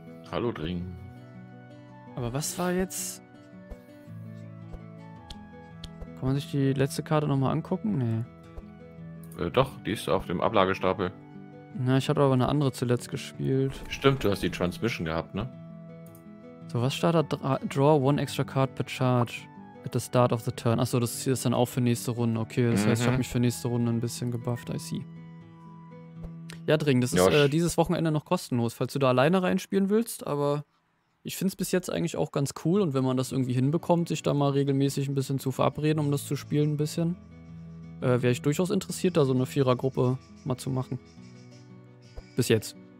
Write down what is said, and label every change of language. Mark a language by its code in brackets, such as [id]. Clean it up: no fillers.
[de] Hallo, Dring. Aber was war jetzt? Kann man sich die letzte Karte nochmal angucken? Nee. Doch, die ist auf dem Ablagestapel. Na, ich hatte aber eine andere zuletzt gespielt. Stimmt, du hast die Transmission gehabt, ne? So, was startet? [en] Draw one extra card per charge at the start of the turn. [de] Achso, das hier ist dann auch für nächste Runde. Okay, das heißt, ich habe mich für nächste Runde ein bisschen gebufft, [en] I see. [de] Ja, dringend. Das ist dieses Wochenende noch kostenlos, falls du da alleine reinspielen willst. Aber ich finde es bis jetzt eigentlich auch ganz cool. Und wenn man das irgendwie hinbekommt, sich da mal regelmäßig ein bisschen zu verabreden, um das zu spielen ein bisschen, wäre ich durchaus interessiert, da so eine Vierergruppe mal zu machen. Bis jetzt.